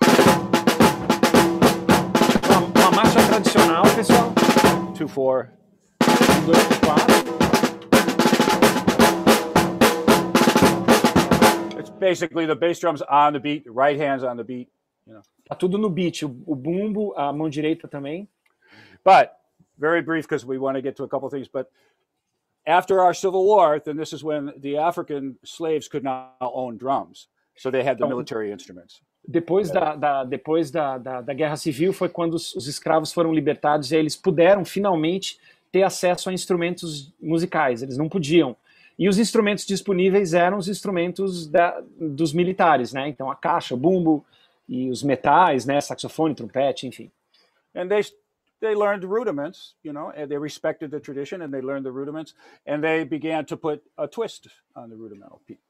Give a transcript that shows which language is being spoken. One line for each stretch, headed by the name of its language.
Portuguese: Uma marcha tradicional, pessoal. 2-4. 2-4.
English: It's basically the bass drums on the beat, right hands on the beat. You know.
Portuguese: Tá tudo no beat, o bumbo, a mão direita também.
English: But, very brief, because we want to get to a couple of things, but after our Civil War, then this is when the African slaves could now own drums. So they had the military instruments.
Portuguese: Depois,
English: yeah.
Portuguese: depois da Guerra Civil foi quando os escravos foram libertados e aí eles puderam finalmente ter acesso a instrumentos musicais. Eles não podiam. E os instrumentos disponíveis eram os instrumentos dos militares, né? Então a caixa, o bumbo e os metais, né? Saxofone, trompete, enfim.
English: And they learned the rudiments, you know, and they respected the tradition and they learned the rudiments and they began to put a twist on the rudimental thing.